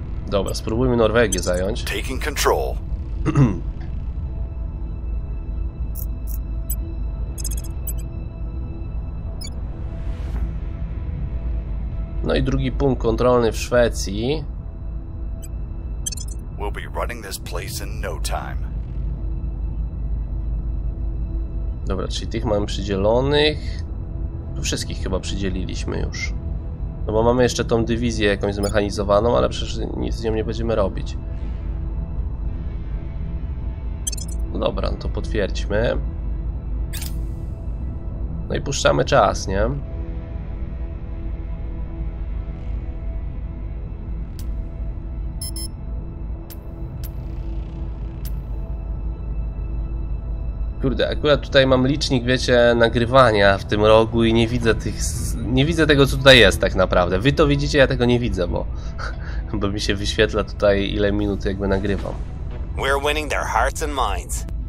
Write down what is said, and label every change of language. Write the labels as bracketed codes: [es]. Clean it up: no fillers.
[pl] Dobra, spróbujmy Norwegię zająć. [en] Taking control. [pl] No i drugi punkt kontrolny w Szwecji. [en] We'll be running this place in no time. [pl] Dobra, czyli tych mamy przydzielonych. Tu wszystkich chyba przydzieliliśmy już. No bo mamy jeszcze tą dywizję jakąś zmechanizowaną, ale przecież nic z nią nie będziemy robić. No dobra, no to potwierdźmy. No i puszczamy czas, nie? Kurde, akurat tutaj mam licznik, wiecie, nagrywania w tym rogu i nie widzę tych... Nie widzę tego, co tutaj jest tak naprawdę. Wy to widzicie, ja tego nie widzę, bo mi się wyświetla tutaj, ile minut jakby nagrywam. [en] We're winning their hearts and minds.